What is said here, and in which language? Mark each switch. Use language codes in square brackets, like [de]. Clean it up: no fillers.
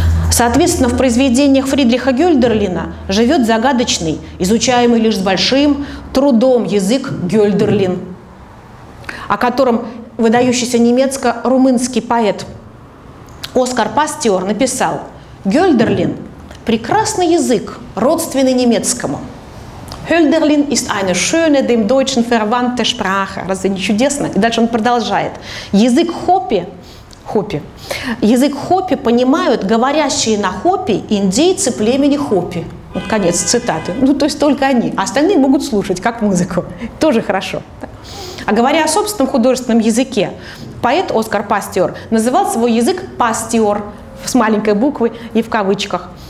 [ru] Соответственно, в произведениях Фридриха Гёльдерлина живет загадочный, изучаемый лишь с большим трудом язык Гёльдерлин, о котором выдающийся немецко-румынский поэт Оскар Пастьор написал: «Гёльдерлин – прекрасный язык, родственный немецкому». [de] «Гёльдерлин ist eine schöne, dem Deutschen verwandte Sprache». [ru] Разве не чудесно? И дальше он продолжает. «Язык Хопи» Хопи. Язык хопи понимают говорящие на хопи индейцы племени хопи. Вот конец цитаты. Ну, то есть только они. А остальные могут слушать, как музыку. Тоже хорошо. А говоря о собственном художественном языке, поэт Оскар Пастьор называл свой язык «пастьор» с маленькой буквы и в кавычках.